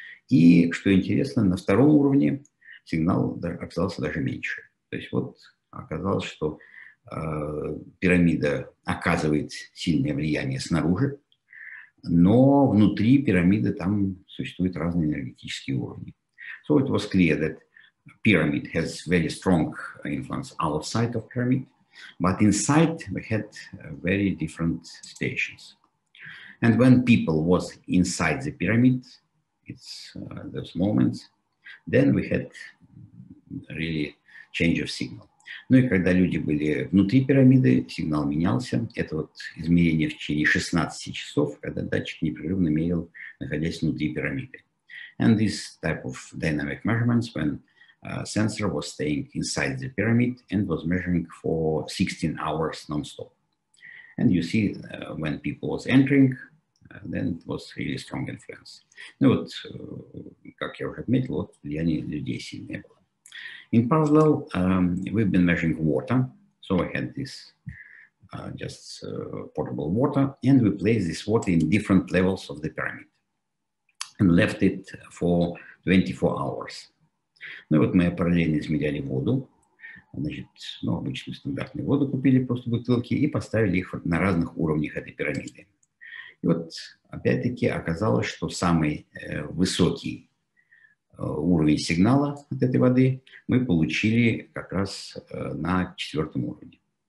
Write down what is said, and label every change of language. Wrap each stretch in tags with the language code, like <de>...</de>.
<ru>И, что интересно, на втором уровне сигнал оказался даже меньше. То есть вот оказалось, что пирамида оказывает сильное влияние снаружи, но внутри пирамиды там существуют разные энергетические уровни.</ru> <en>So it was clear that pyramid has very strong influence outside of pyramid, but inside we had very different stations. And when people was inside the pyramid, it's those moments, then we had really change of signal.</en> <ru>Ну и когда люди были внутри пирамиды, сигнал менялся. Это вот измерение в течение 16 часов, когда датчик непрерывно мерил, находясь внутри пирамиды.</ru> <en>And this type of dynamic measurements when sensor was staying inside the pyramid and was measuring for 16 hours non-stop. And you see, when people was entering, then it was really strong influence.</en> <ru>Ну вот, как я уже отметил, вот влияние людей сильное было.</ru> <en>In parallel, we've been measuring water. So I had this portable water, and we placed this water in different levels of the pyramid and left it for 24 hours.</en> <ru>Ну вот мы параллельно измеряли воду. Значит, ну, обычную стандартную воду купили, просто бутылки, и поставили их на разных уровнях этой пирамиды. И вот опять-таки оказалось, что самый высокий уровень сигнала от этой воды мы получили как раз на четвертом уровне.</ru>